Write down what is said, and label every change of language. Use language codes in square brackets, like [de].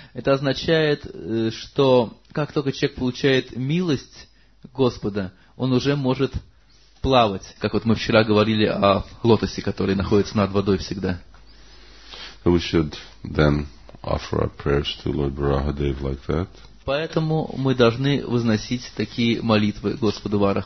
[ru] Это означает, что как только человек получает милость Господа, он уже может плавать, как вот мы вчера говорили о лотосе, который находится над водой всегда. [en] We should then offer our prayers to Lord Varahadev like that. [ru] Поэтому мы должны возносить такие молитвы Господу